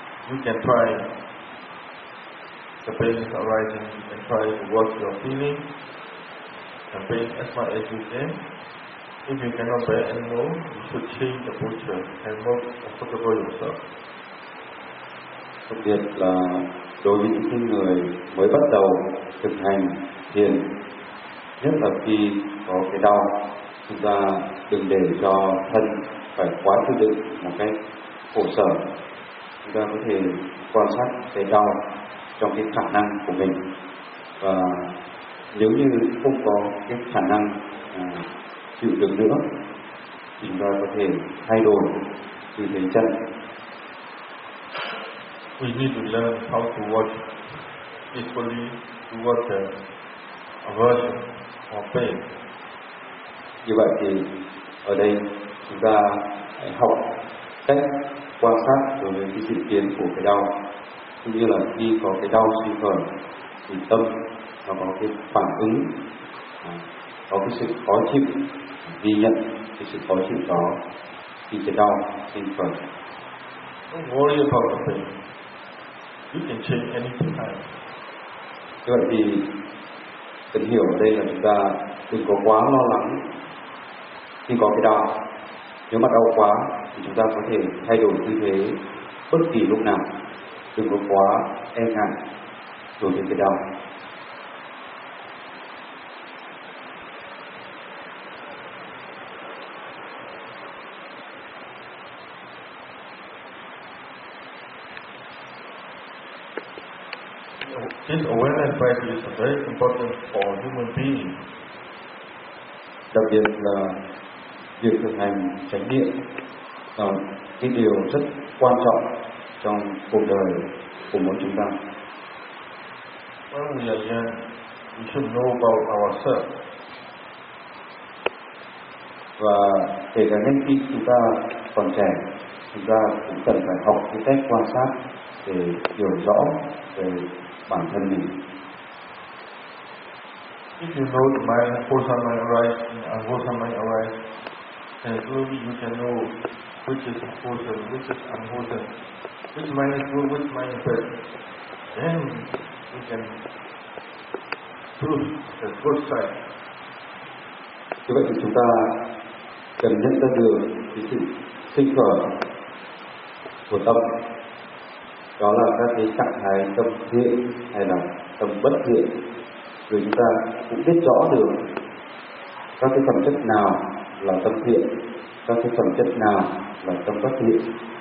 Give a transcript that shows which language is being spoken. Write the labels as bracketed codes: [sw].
[en] You can try the pain is arising and try to watch your feeling and pain as much as you can. If you cannot bear anymore, you should change the posture and more comfortable yourself. [vi] Đặc biệt là đối với những người mới bắt đầu thực hành thiền, nhất là khi có cái đau, chúng ta đừng để cho thân phải quá chịu đựng một cách khổ sở. Chúng ta có thể quan sát cái đau trong cái khả năng của mình, và nếu như không có cái khả năng chịu đựng nữa, chúng ta có thể thay đổi tư thế chân. [en] We need to learn how to watch equally towards the aversion or pain. [vi] Như vậy thì ở đây chúng ta hãy học cách quan sát đối với cái diễn biến của cái đau, cũng như là khi có cái đau sinh khởi thì tâm nó có cái phản ứng, có cái sự khó chịu, ghi nhận cái sự khó chịu đó khi cái đau sinh khởi. [en] Don't worry about the pain. You can change anything. [vi] Như vậy thì cần hiểu ở đây là chúng ta đừng có quá lo lắng khi có cái đau. Nếu mà đau quá thì chúng ta có thể thay đổi tư thế bất kỳ lúc nào, đừng có quá e ngại đối với cái đau. [en] This awareness practice is very important for human being. [vi] Đặc biệt là việc thực hành chánh niệm là cái điều rất quan trọng trong cuộc đời của mỗi chúng ta. [en] When we are young, we should know about ourselves. [vi] Và kể cả ngay khi chúng ta còn trẻ, chúng ta cũng cần phải học cái cách quan sát để hiểu rõ về bản thân mình. [en] If you know the mind, wholesome mind arise and unwholesome mind arise, then slowly you can know which is wholesome, which is unwholesome, which mind is good, which mind is bad. Then you can prove the good side. [vi] Như vậy thì chúng ta cần nhận ra được cái sự sinh khởi của tâm, đó là các cái trạng thái tâm thiện hay là tâm bất thiện, rồi chúng ta cũng biết rõ được các cái phẩm chất nào là tâm thiện, các cái phẩm chất nào là tâm bất thiện.